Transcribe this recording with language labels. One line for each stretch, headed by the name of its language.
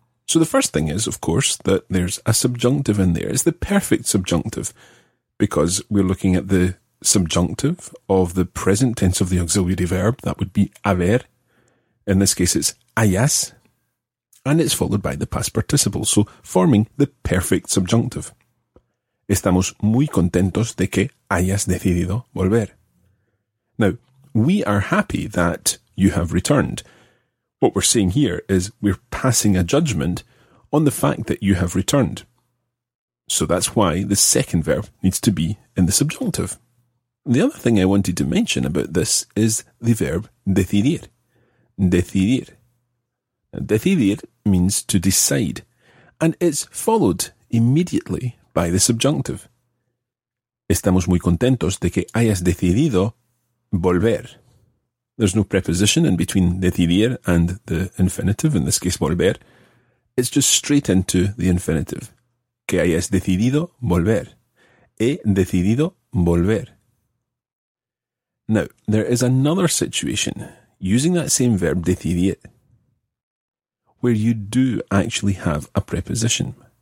English: So the first thing is, of course, that there's a subjunctive in there. It's the perfect subjunctive, because we're looking at the subjunctive of the present tense of the auxiliary verb. That would be haber. In this case, it's hayas. And it's followed by the past participle, so forming the perfect subjunctive.
Spanish: Estamos muy contentos de que hayas decidido volver.
English: Now, we are happy that you have returned. What we're seeing here is we're passing a judgment on the fact that you have returned. So that's why the second verb needs to be in the subjunctive. The other thing I wanted to mention about this is the verb decidir. Decidir. Decidir means to decide, and it's followed immediately by the subjunctive.
Spanish: Estamos muy contentos de que hayas decidido volver.
English: There's no preposition in between decidir and the infinitive, in this case volver. It's just straight into the infinitive.
Spanish: Que hayas decidido volver. He decidido volver.
English: Now, there is another situation, using that same verb, decidir, where you do actually have a preposition.